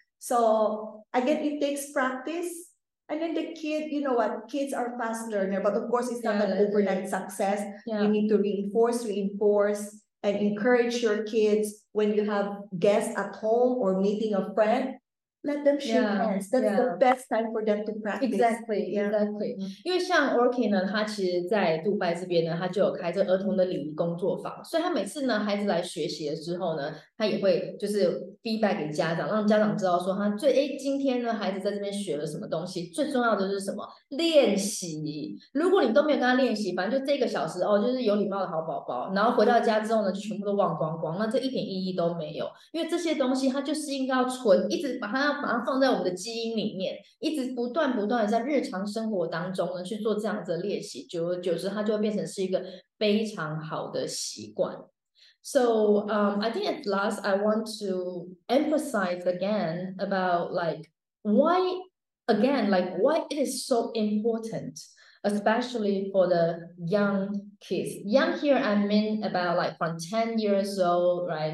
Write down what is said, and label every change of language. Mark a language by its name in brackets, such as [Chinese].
[English] So again, it takes practice. And then the kid, you know what, kids are fast learner, but of course it's not an overnight success. Yeah. You need to reinforce, and encourage your kids when you have guests at home or meeting a friend. Let them shake hands. That's the best time for them to practice. Exactly. [Chinese] 因为像 Orky 呢，他其实在杜拜这边呢，他就有开这儿童的礼仪工作坊，所以他每次呢，孩子来学习了之后呢，他也会就是 feedback 给家长，让家长知道说他最哎今天呢，孩子在这边学了什么东西。最重要的是什么？练习。如果你都没有跟他练习，反正就这个小时哦，就是有礼貌的好宝宝，然后回到家之后呢，全部都忘光光，那这一点意义都没有。因为这些东西，他就是应该要存，一直把它放在我们的基因里面，一直不断在日常生活当中呢去做这样子的练习，久而久之它就会变成是一个非常好的习惯。 [English] So I think at last I want to emphasize again about like why again like why it is so important especially for the young kids. Young here I mean about like from 10 years old, right?